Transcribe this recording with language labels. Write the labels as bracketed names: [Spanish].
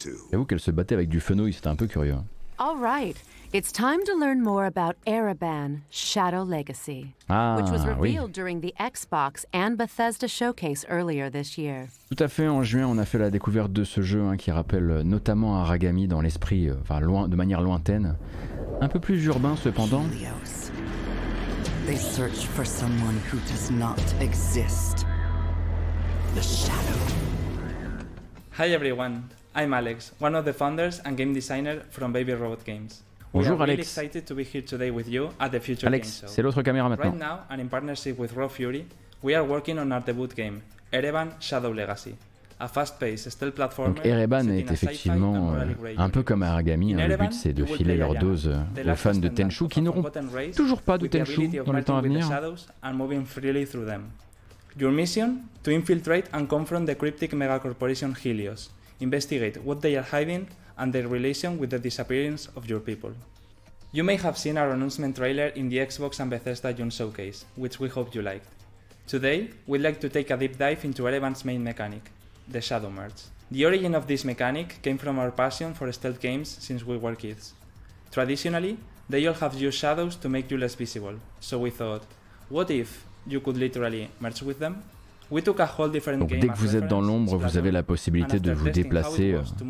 [French] J'avoue qu'elle se battait avec du fenouil, c'était un peu curieux. [English] All right. It's time to learn more about Ereban, Shadow Legacy, which was revealed during the Xbox and Bethesda showcase earlier this year. [French] Tout à fait, en juin, on a fait la découverte de ce jeu hein, qui rappelle notamment Aragami dans l'esprit, de manière lointaine. Un peu plus urbain, cependant. [English] Helios. They search for someone who does not exist. The Shadow. Hi everyone, I'm Alex, one of the founders and game designer from Baby Robot Games. [French] Bonjour Alex. [English] Really excited to be here today with you at the Future Alex, Game Show. [French] C'est l'autre caméra maintenant. [English] Right now, and in partnership with Raw Fury, we are working on our debut game, Ereban Shadow Legacy, a fast-paced stealth platformer. [French] Donc Ereban est effectivement un peu comme Aragami. Hein, le but c'est de filer leur dose aux fans de Tenchu qui n'auront toujours pas de Tenchu dans le temps à venir. [English] Your mission: to infiltrate and confront the cryptic megacorporation Helios, investigate what they are hiding. And their relation with the disappearance of your people. You may have seen our announcement trailer in the Xbox and Bethesda June showcase, which we hope you liked. Today, we'd like to take a deep dive into Ereban's main mechanic, the Shadow Merge. The origin of this mechanic came from our passion for stealth games since we were kids. Traditionally, they all have used shadows to make you less visible, so we thought, what if you could literally merge with them? [French] Donc dès que vous êtes dans l'ombre, vous avez la possibilité de vous déplacer.